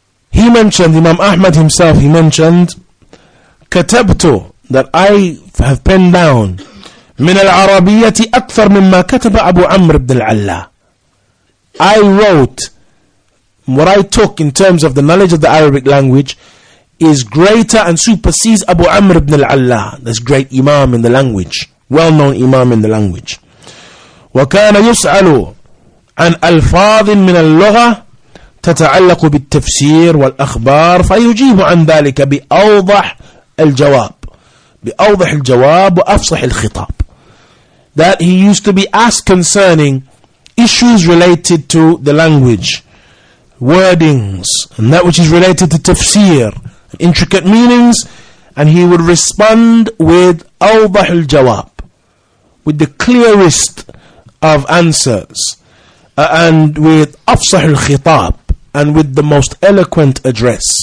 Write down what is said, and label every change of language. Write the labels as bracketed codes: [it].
[en] He mentioned, Imam Ahmad himself, he mentioned, [ar] كتبت, [en] that I have penned down, [ar] من العربية أكثر مما كتب أبو عمرو بن العلاء. [en] I wrote, what I took in terms of the knowledge of the Arabic language is greater and supersedes Abu Amr ibn al-Alla, this great imam in the language, well-known imam in the language. [ar] وكان يسأل عن ألفاظ من اللغة تتعلق بالتفسير والأخبار فيجيب عن ذلك بأوضح الجواب, بأوضح الجواب وأفصح الخطاب. [en] That he used to be asked concerning issues related to the language, wordings, and that which is related to tafsir, intricate meanings, and he would respond with [ar] awdah al-jawab, [en] with the clearest of answers, and with [ar] أفصح الخطاب, [en] and with the most eloquent address.